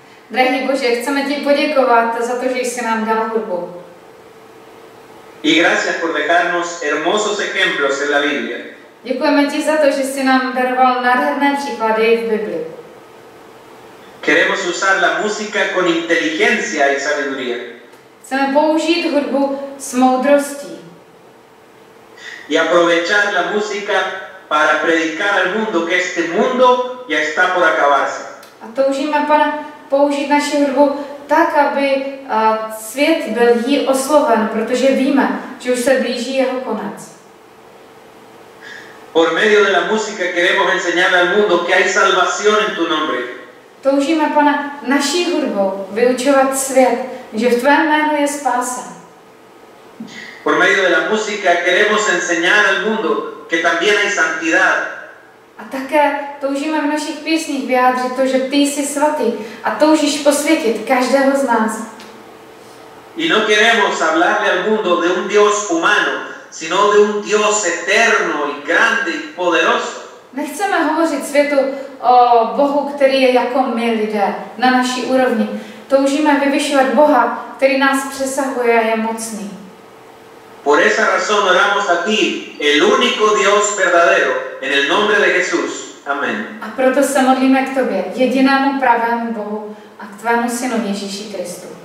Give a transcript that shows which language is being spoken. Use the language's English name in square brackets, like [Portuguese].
[Czech] Drahý Bože, chceme ti poděkovat za to, že jsi nám dal hudbu. [Spanish] Y gracias por dejarnos hermosos ejemplos en la Biblia. [Czech] Děkujeme ti za to, že jsi nám daroval nádherné příklady v Biblii. [Spanish] Queremos usar la música con inteligencia y sabiduría. [Czech] Chceme použít hudbu s moudrostí. [Spanish] Y aprovechar la música para predicar al mundo que este mundo ya está por acabarse. [Czech] A toužíme, Pane, použít naši hudbu tak, aby svět byl jí osloven, protože víme, že už se blíží jeho konec. [Spanish] Por medio de la música queremos enseñar al mundo que hay salvación en tu nombre. [Czech] Toužíme, Pane, naší hudbou vyučovat svět, že v tvém jménu je spása. [Spanish] Por medio de la música queremos enseñar al mundo que también hay santidad. [Czech] A také toužíme v našich písních vyjádřit to, že ty jsi svatý a toužíš posvětit každého z nás. [Spanish] Y no queremos hablarle al mundo de un Dios humano, sino de un Dios eterno y grande y poderoso. [Czech] Nechceme hovořit světu o Bohu, který je jako my lidé, na naší úrovni. Toužíme vyvyšovat Boha, který nás přesahuje a je mocný. [Spanish] Por esa razón oramos a ti, el único Dios verdadero, en el nombre de Jesús. Amén. [Czech] A proto se modlíme k tobě, jedinému pravému Bohu a k tvému synu Ježíši Kristu.